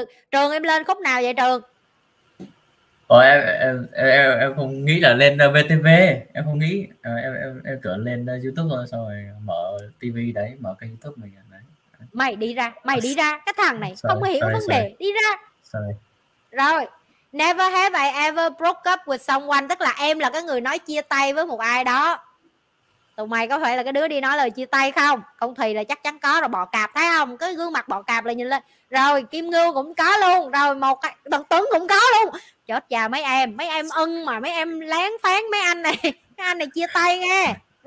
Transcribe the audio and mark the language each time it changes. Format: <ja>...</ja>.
<vi>Trường em lên khúc nào vậy Trường? Ôi, em không nghĩ là lên VTV, em không nghĩ, em tưởng lên YouTube rồi, xong rồi mở TV đấy, mở kênh YouTube mình đấy. Mày đi ra, cái thằng này không hiểu vấn đề. Đi ra.</vi> <en>Sorry.</en> <vi>Rồi,</vi> <en>never have I ever broke up with someone.</en> <vi>Tức là em là cái người nói chia tay với một ai đó. Tụi mày có phải là cái đứa đi nói lời chia tay không? Không thì là chắc chắn có rồi, bọ cạp thấy không? Cái gương mặt bọ cạp là nhìn lên. Rồi Kim Ngưu cũng có luôn. Rồi một Bằng Tuấn cũng có luôn. Chết già mấy em. Mấy em ưng mà mấy em lén phán mấy anh này. Mấy anh này chia tay nghe.</vi>